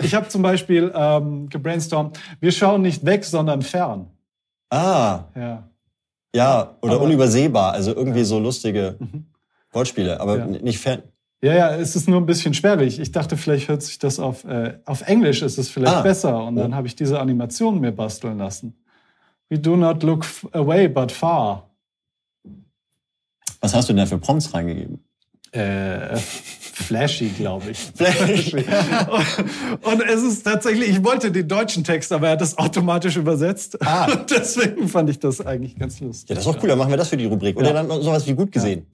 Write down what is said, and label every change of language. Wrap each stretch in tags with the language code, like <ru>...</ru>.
<de>Ich habe zum Beispiel gebrainstormt, wir schauen nicht weg, sondern fern. Ah. Ja. Ja, oder aber unübersehbar. Also irgendwie so lustige Wortspiele, aber nicht Fan. Ja, ja, es ist nur ein bisschen sperrig. Ich dachte, vielleicht hört sich das auf Englisch ist es vielleicht besser. Und dann habe ich diese Animation mir basteln lassen.</de> <en>We do not look away, but far.</en> <de>Was hast du denn da für Prompts reingegeben? Flashy, glaube ich.</de> <en>Flashy.</en> <de>Und es ist tatsächlich, ich wollte den deutschen Text, aber er hat das automatisch übersetzt. Ah. Deswegen fand ich das eigentlich ganz lustig. Ja, das ist auch cool, dann machen wir das für die Rubrik. Oder dann sowas wie gut gesehen.</de>